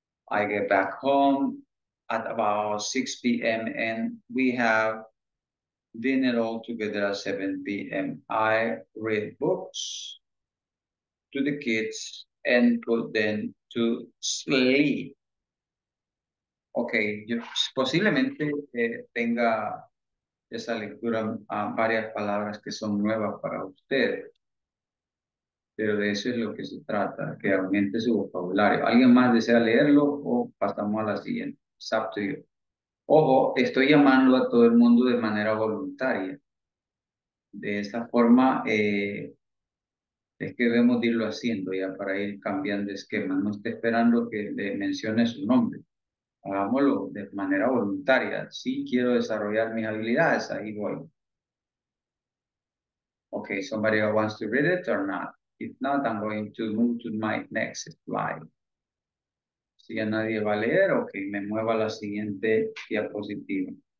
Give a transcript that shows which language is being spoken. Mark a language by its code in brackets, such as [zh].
[en] I get back home at about 6 p.m. and we have dinner all together at 7 p.m. I read books to the kids and put them to sleep. [es] Okay, yo posiblemente tenga esa lectura a varias palabras que son nuevas para usted. Pero de eso es lo que se trata, que aumente su vocabulario. ¿Alguien más desea leerlo o pasamos a la siguiente? [en] It's up to you. [es] Ojo, estoy llamando a todo el mundo de manera voluntaria. De esa forma, es que debemos irlo haciendo ya para ir cambiando esquema. No esté esperando que le mencione su nombre. Hagámoslo de manera voluntaria. Sí quiero desarrollar mis habilidades, ahí voy. [en] Ok, somebody wants to read it or not? If not, I'm going to move to my next slide. [es] Si ya nadie va a leer, ok, me muevo a la siguiente diapositiva.